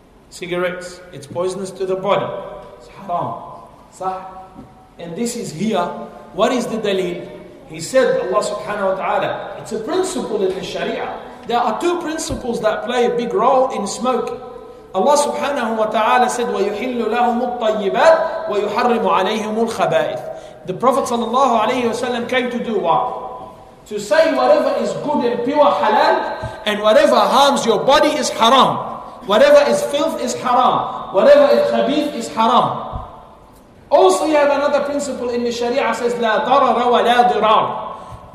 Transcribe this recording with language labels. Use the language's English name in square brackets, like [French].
[English] Cigarettes, it's poisonous to the body. It's haram. Sah? And this is here. What is the dalil? He said, Allah subhanahu wa ta'ala, it's a principle in the Sharia. There are two principles that play a big role in smoking. Allah subhanahu wa ta'ala said, [Arabic] وَيُحِلُّ لَهُمُ الطَّيِّبَاتِ وَيُحَرِّمُ عَلَيْهِمُ الْخَبَائِثِ. [English] The Prophet sallallahu alayhi wa sallam came to do what? To say whatever is good and pure halal, and whatever harms your body is haram. Whatever is filth is haram. Whatever is khabith is haram. Also, you have another principle in the Sharia, says [Arabic] لا ضرر ولا ضرار.